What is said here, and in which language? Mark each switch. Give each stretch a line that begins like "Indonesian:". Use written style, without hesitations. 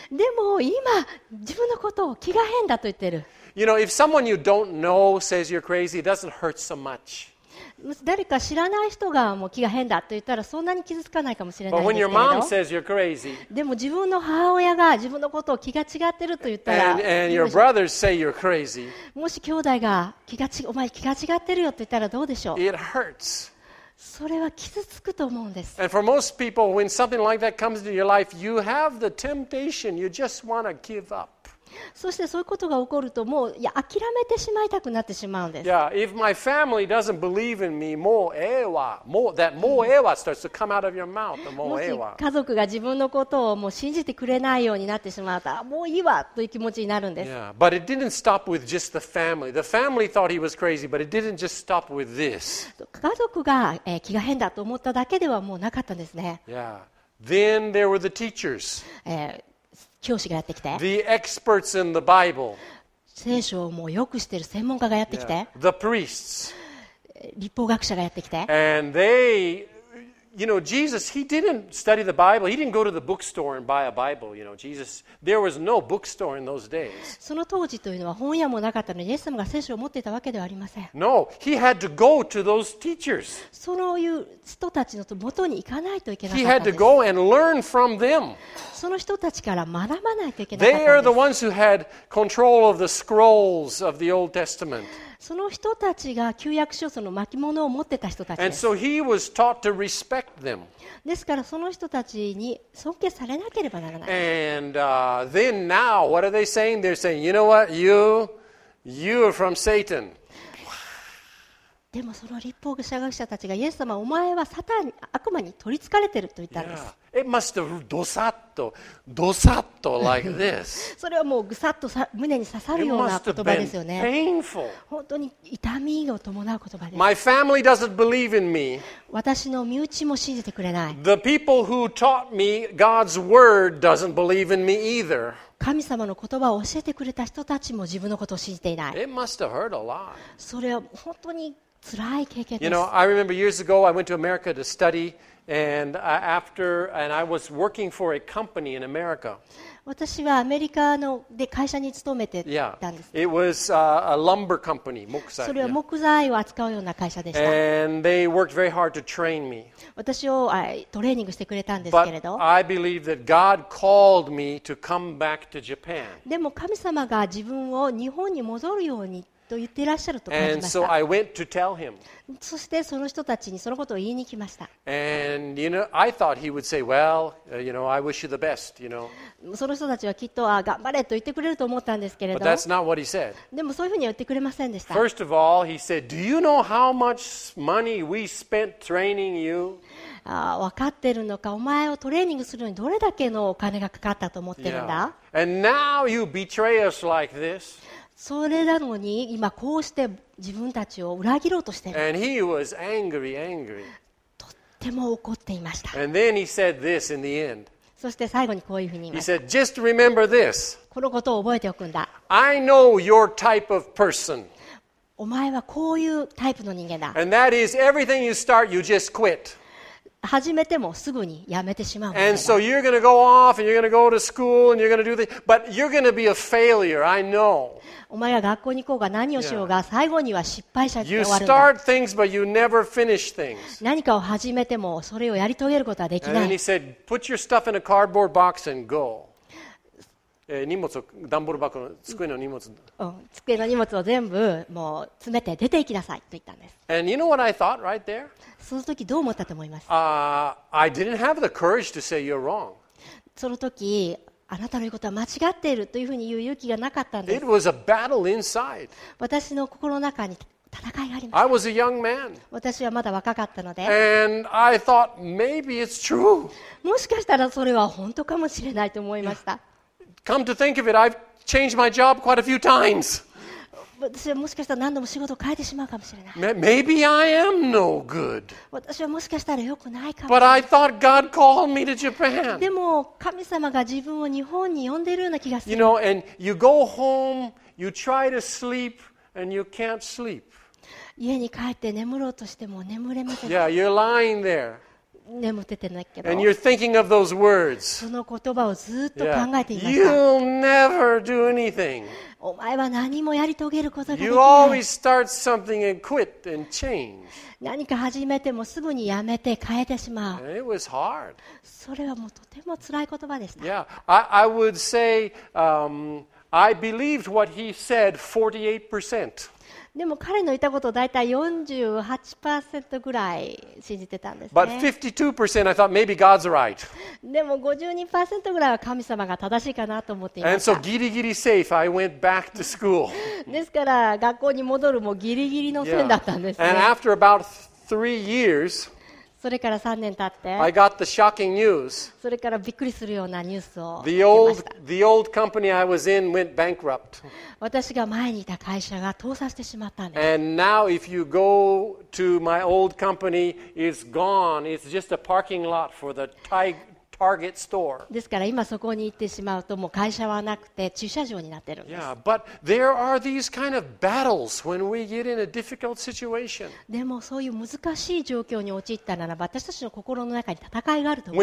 Japanese: でも今自分のことを気が変だと言ってる。
English: You know, if someone you don't know says you're crazy, it doesn't hurt so much.
Japanese: 誰か知らない人がもう気が変だと言ったらそんなに傷つかないかもしれないですけど。
English: But when your mom says you're crazy,
Japanese: でも自分の母親が自分のことを気が違ってると言ったら、
English: and your brothers say you're crazy,
Japanese: もし兄弟が気が違、お前気が違ってるよと言ったらどうでしょう。
English: It hurts.
Japanese: それは傷つくと思うんです。
English: And for most people, when something like that comes into your life, you have the temptation. You just want to give up.
Japanese: そしてそういうことが起こるともういや諦めてしまいたくなってしまうんです。
English: Yeah, if my family doesn't believe in me,
Japanese: もうええわ、もう
English: that
Japanese: もうええわ
English: starts to come out of your mouth,
Japanese: もうええわ。もし家族が自分のことをもう信じてくれないようになってしまったらもういいわという気持ちになるんです。
English: Yeah, but it didn't stop with just the family. The family thought he was crazy, but it didn't just stop with this.
Japanese: 家族が気が変だと思っただけではもうなかったんですね。
English: Yeah, then there were the teachers.
Japanese: 教師がやってきて、
English: the experts in the Bible.
Japanese: 聖書をもうよく知ってる専門家がやってきて、
English: yeah. the priests.
Japanese: 律法学者がやってきて、
English: and they, you know, Jesus, he didn't study the Bible. He didn't go to the bookstore and buy a Bible. You know, Jesus, there was no bookstore in those days.
Japanese: その当時というのは本屋もなかったので、イエス様が聖書を持っていたわけではありません。
English: No, he had to go to those teachers.
Japanese: そのいう人たちの元に行かないといけなかったんです。
English: He had to go and learn from them.
Japanese: その人たちから学ばないといけなかった。
English: They are the ones who had control of the scrolls of the Old Testament.
Japanese: その人たちが旧約書その巻物を持ってた人たちです。
English: And so he was taught to respect them.
Japanese: ですからその人たちに尊敬されなければならない。
English: And then now, what are they saying? They're saying, you know what, you are from Satan.
Japanese: でもその立法者学者たちがイエス様、お前はサタン、悪魔に取り憑かれてると言ったんです。
English: Yeah. It must have
Japanese: どさっと、どさっと
English: like this.
Japanese: それはもうぐさっとさ胸に刺さるような言葉ですよね。
English: It must have been painful.
Japanese: 本当に痛みを伴う言葉です。
English: My family doesn't believe in me.
Japanese: 私の身内も信じてくれない。
English: The people who taught me God's word doesn't believe in me either.
Japanese: 神様の言葉を教えてくれた人たちも自分のことを信じていない。
English: It must have hurt a lot.
Japanese: それは本当に辛い経験です。
English: You know, I remember years ago I went to America to study, and after, and I was working for a company in America.
Japanese: 私はアメリカので会社に勤めてたんです。
English: Yeah. It was a lumber company, 木材。
Japanese: それは木材を扱うような会社でした。
English: And they worked very hard to train me.
Japanese: 私をトレーニングしてくれたんですけれど。
English: But I believe that God called me to come back to Japan.
Japanese: でも神様が自分を日本に戻るようにと言っていらっしゃると感じました。
English: And so I went to tell him.
Japanese: そしてその人たちにそのことを言いに来ました。
English: And you know, I thought he would say, "Well, you know, I wish you the best." You know.
Japanese: その人たちはきっと、ああ、頑張れと言ってくれると思ったんですけれど。
English: But that's not what he said.
Japanese: でもそういうふうに言ってくれませんでした。
English: First of all, he said, "Do you know how much money we spent training you?"
Japanese: わかってるのか、お前をトレーニングするのにどれだけのお金がかかったと思ってるんだ。
English: Yeah. And now you betray us like this.
Japanese: それなのに今こうして自分たちを裏切ろうとしている
English: 。And he was angry, angry.
Japanese: とっても怒っていました。
English: And then he said this in the end.
Japanese: そして最後にこういうふうに言いました。
English: He said, just remember this.
Japanese: このことを覚えておくんだ。
English: I know your type of person.
Japanese: お前はこういうタイプの人間だ。
English: And that is everything you start, you just quit.
Japanese: 始めてもすぐにやめてしまう。
English: And so you're going to go off and you're going to go to school and you're going to do this, but you're going to be a failure, I know.
Japanese: お前が学校に行こうが何をしようが最後には失敗者で終わるんだ。
English: You start things but you never finish things.
Japanese: 何かを始めてもそれをやり遂げることはできない。
English: And then he said, put your stuff in a cardboard box and go.
Japanese: 荷物を、段ボール箱の机の荷物。机の荷物を全部もう詰めて出て行きなさいと言ったんです。
English: And you know what I thought right there?
Japanese: その時どう思ったと思います？
English: I didn't have the courage to say you're wrong.
Japanese: その時、あなたの言うことは間違っているというふうに言う勇気がなかったんです。
English: It was a battle inside.
Japanese: 私の心の中に戦いがありました。
English: I was a young man.
Japanese: 私はまだ若かったので。
English: And I thought maybe it's true.
Japanese: もしかしたらそれは本当かもしれないと思いました。
English: Come to think of it, I've changed my job quite a few times.
Japanese: 私はもしかしたら何度も仕事を変えてしまうかもしれない。
English: Maybe I am no good.
Japanese: 私はもしかしたら良くないかもしれない。
English: But I thought God called me to Japan.
Japanese: でも神様が自分を日本に呼んでいるような気がする。
English: You know, and you go home, you try to sleep, and you can't sleep.
Japanese: 家に帰って眠ろうとしても眠れません。
English: Yeah, you're lying there.
Japanese: 眠っててないけど。
English: And you're thinking of those words.
Japanese: その言葉をずっと考えていました。
English: Yeah. You'll never do anything.
Japanese: お前は何もやり遂げることができない。
English: You always start something and quit and change.
Japanese: 何か始めてもすぐにやめて変えてしまう。
English: It was hard.
Japanese: それはもうとても辛い言葉でした。
English: Yeah, I would say, I believed what he said 48%.
Japanese: でも彼の言ったことをだいたい 48% ぐらい信じてたんですね。
English: But 52% I thought maybe God's right.
Japanese: でも 52% ぐらいは神様が正しいかなと思っていました。
English: And so ギリギリ safe, I went back to school.
Japanese: ですから学校に戻るもギリギリの線だったんですね。
English: And after about 3 years,
Japanese: それから3年経って、
English: I got the shocking news.
Japanese: それからびっくりするようなニュースを受けました。
English: The old company I was in went bankrupt.
Japanese: 私が前にいた会社が倒産してしまったんです。
English: And now if you go to my old company, it's gone. It's just a parking lot for the Target store.
Japanese: ですから今そこに行ってしまうともう会社はなくて駐車場になってるんです。
English: Yeah, but there are these kind of battles when we get in a difficult situation.
Japanese: でもそういう難しい状況に陥ったならば私たちの心の中に戦いがあると思